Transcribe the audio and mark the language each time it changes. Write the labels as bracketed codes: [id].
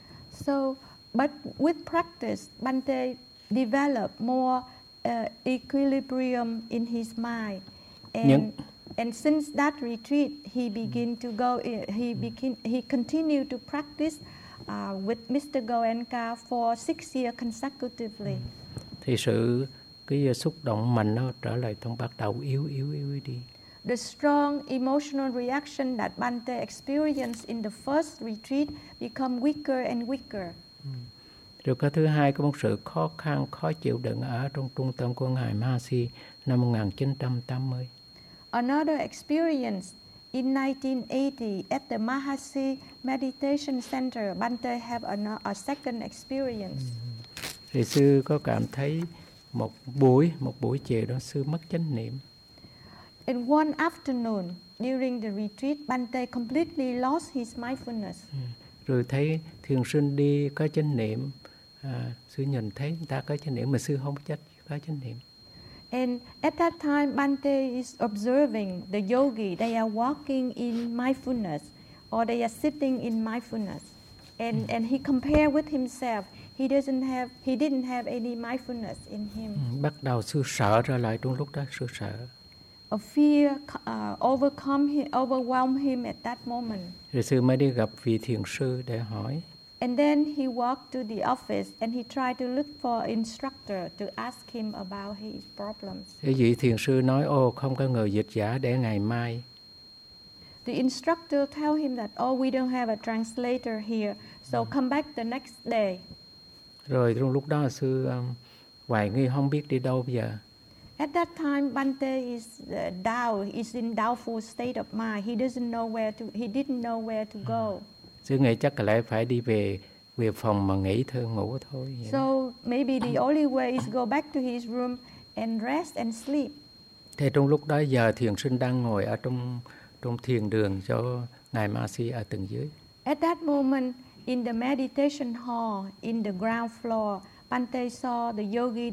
[en] So, but with practice, Bhante developed more equilibrium in his mind. And since that retreat, he begin to go, he continued to practice with Mr. Goenka for 6 years consecutively. [vi] Thì sự cái xúc động mạnh nó trở lại trong bắt đầu yếu đi. [en] The strong emotional reaction that Bhante experienced in the first retreat become weaker and weaker. [vi] Rồi cái thứ hai có một sự khó khăn, khó chịu đựng ở trong trung tâm của Ngài Mahasi năm 1980. [en] Another experience in 1980 at the Mahasi Meditation Center, Bhante have a second experience. [vi] Thì sư có cảm thấy một buổi chiều đó sư mất chánh niệm. [en] In one afternoon during the retreat, Bhante completely lost his mindfulness. [vi] Rồi thấy thiền sinh đi có chánh niệm, sư nhìn thấy người ta có chánh niệm mà sư không có chánh niệm. [en] And at that time, Bhante is observing the yogi. They are walking in mindfulness, or they are sitting in mindfulness. And he compare with himself. He didn't have any mindfulness in him. [vi] Bắt đầu sư sợ trở lại trong lúc đó, sư sợ. [en] A fear overwhelmed him at that moment. [vi] Rồi sư mới đi gặp vị thiền sư để hỏi. [en] And then he walked to the office and he tried to look for an instructor to ask him about his problems. [vi] Vị thiền sư nói, ô, không có người dịch giả để ngày mai. [en] The instructor tell him that, oh, we don't have a translator here, so come back the next day. [vi] Rồi trong lúc đó sư hoài nghi không biết đi đâu bây giờ. [en] At that time, Bhante is in doubtful state of mind. He didn't know where to go. [vi] Sư nghĩ chắc là phải đi về phòng mà nghỉ thôi, ngủ thôi. [en] So maybe the only way is go back to his room and rest and sleep. [vi] Thì trong lúc đó giờ thiền sinh đang ngồi ở trong thiền đường cho ngài Ma-si ở tầng dưới. [en] At that moment, in the meditation hall, in the ground floor, Bhante saw the yogi.